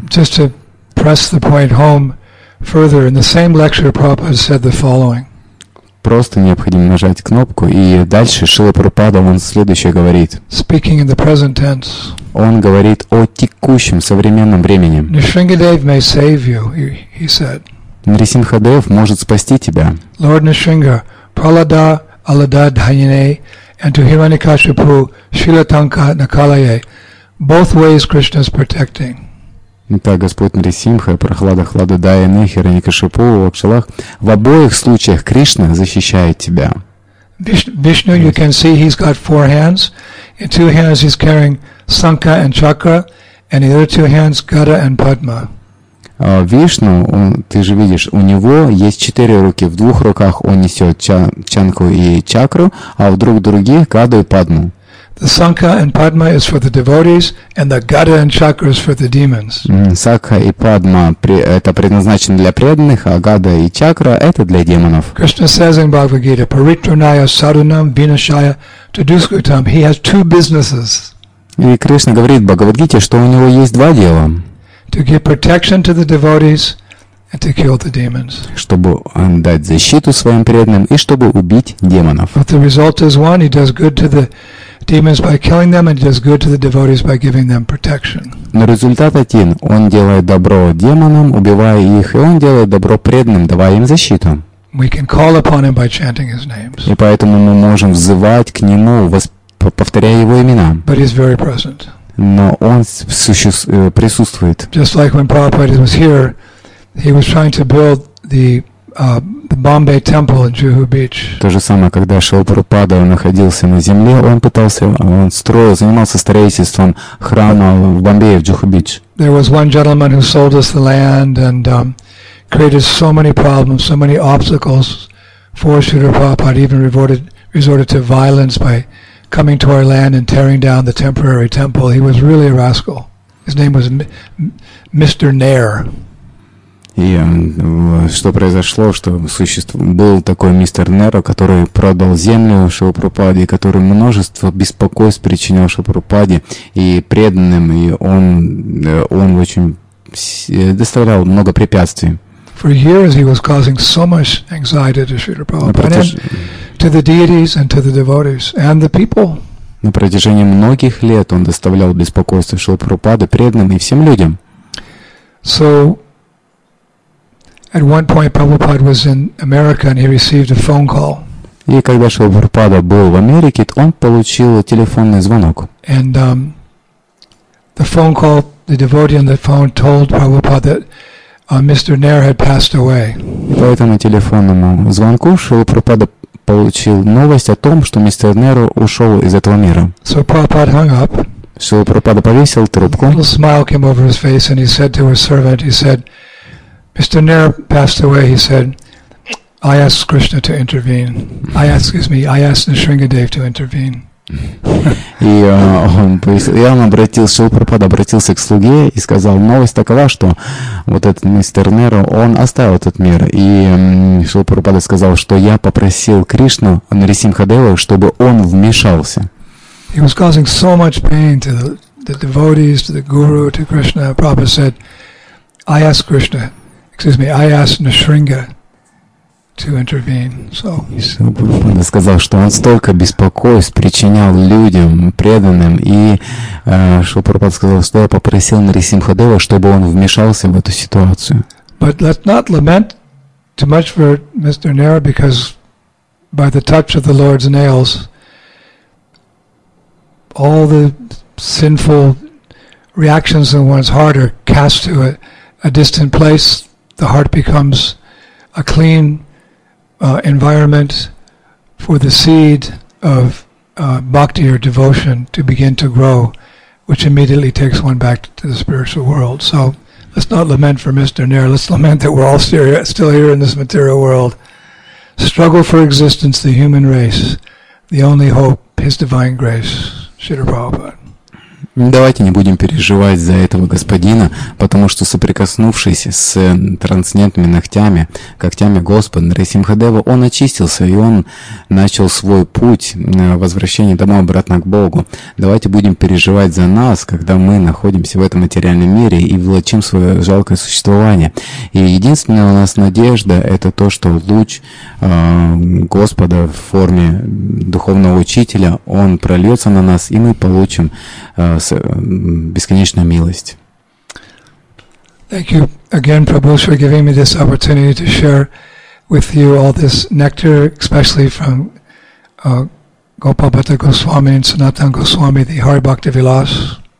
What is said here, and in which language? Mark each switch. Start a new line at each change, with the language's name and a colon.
English: Just to press the point home further, in the same lecture Prabhupada said the following.
Russian: Просто необходимо нажать кнопку, и дальше Шрила Прабхупада, он следующее говорит.
English: Speaking in the present tense.
Russian: Он говорит о текущем, современном времени.
English: Nrisimhadev may save you, he said.
Russian: Нрисимхадев может спасти тебя.
English: Lord Nrisimha,
Sanskrit: Pralada Alada Dhanine,
English: and to Hiranyakashipu
Sanskrit: Shilatanka Nakalaye,
English: both ways Krishna is protecting.
Russian: Итак, Господь Нрисимха, Прахлада Хлада Дайяны, Хираньякашипу, Вакшалах, в обоих случаях Кришна защищает тебя.
English: Вишну, you can see he's got four hands. In two hands he's carrying Sankha and Chakra, and in the other two hands Gada and Padma.
Russian: Вишну, ты же видишь, у него есть четыре руки. В двух руках он несет Чанку и Чакру, а в других Гаду и Падму.
English: The Sankha and Padma is for the devotees, and the Gada and Chakra is for the demons.
Russian: Sankha и Padma это предназначено для преданных, а Gada и Chakra это для демонов.
English: Krishna says in Bhagavad Gita,
Sanskrit: Paritranaya Sadhanam Vinashaya Tadushkutam.
English: He has two businesses.
Russian: И Кришна говорит в Бхагавад Гите, что у него есть два дела.
English: To give protection to the devotees and to kill the demons.
Russian: Чтобы он дать защиту своим преданным и чтобы убить демонов.
English: But the result is one, he does good to the demons by killing them, and does good to the devotees by giving them protection.
Russian: Но результат один. Он делает добро демонам, убивая их, и он делает добро преданным, давая им защиту.
English: We can call upon him by chanting his names.
Russian: И поэтому мы можем взывать к нему, повторяя его имена.
English: But he's very present.
Russian: Но он присутствует.
English: Just like when Prabhupada was here, he was trying to build the Bombay temple in Juhu Beach.
Russian: То же самое, когда Шрила Прабхупада находился на земле, он занимался строительством храма в Бомбее, в Juhu Beach.
English: There was one gentleman who sold us the land and created so many problems, so many obstacles for Shrila Prabhupada, even resorted to violence by coming to our land and tearing down the temporary temple. He was really a rascal. His name was Mr. Nair.
Russian: И что произошло, что был такой мистер Неро, который продал землю Шрилы Прабхупаде, который множество беспокойств причинил Шрилы Прабхупаде и преданным, и он очень доставлял много препятствий.
English: For years he was causing so much anxiety to Shrila Prabhupada, to the deities and to the devotees and the people.
Russian: На протяжении многих лет он доставлял беспокойство Шрилы Прабхупаде, преданным и всем людям.
English: So at one point, Prabhupada was in America, and he received a phone call.
Russian: И когда Шрила Прабхупада был в Америке, он получил телефонный звонок.
English: And the phone call, the devotee on the phone told Prabhupada that Mr. Nair had passed away.
Russian: И по этому телефонному звонку Шрила Прабхупада получил новость о том, что мистер Нэр ушел из этого мира.
English: So Prabhupada hung up.
Russian: Шрила Прабхупада повесил трубку.
English: A little smile came over his face, and he said to his servant, he said, Mr. Nair passed away, he said, I asked Krishna to intervene. I asked the Sringadev to intervene.
Russian: И Шрила Прабхупада обратился к слуге и сказал, новость такова, что вот этот мистер Нэр, он оставил этот мир. И Шрила Прабхупада сказал, что я попросил Кришну, Нарисимхадеву, чтобы он вмешался.
English: He was causing so much pain to the devotees, to the guru, to Krishna. Prabhupada said, I asked Nrisimha to intervene. So
Russian: Шрила сказал, что он столько беспокойств причинял людям, преданным, и Шрила Прабхупада сказал, что я попросил Нарисимхадева, чтобы он вмешался в эту ситуацию.
English: But let's not lament too much for Mr. Nair, because by the touch of the Lord's nails, all the sinful reactions in one's heart are cast to a distant place. The heart becomes a clean environment for the seed of bhakti or devotion to begin to grow, which immediately takes one back to the spiritual world. So let's not lament for Mr. Nair. Let's lament that we're all still here in this material world. Struggle for existence, the human race, the only hope, His divine grace, Śrīla Prabhupāda.
Russian: Давайте не будем переживать за этого господина, потому что, соприкоснувшись с трансцендентными ногтями, когтями Господа Нарисимхадева, он очистился, и он начал свой путь возвращения домой обратно к Богу. Давайте будем переживать за нас, когда мы находимся в этом материальном мире и влачим свое жалкое существование. И единственная у нас надежда – это то, что луч Господа в форме духовного учителя, он прольется на нас, и мы получим бесконечную милость.
English: Thank you again, Prabhu, for giving me this opportunity to share with you all this nectar, especially from Gopabhata Goswami and Sanatana Goswami, the Hari Bhakti Vilas.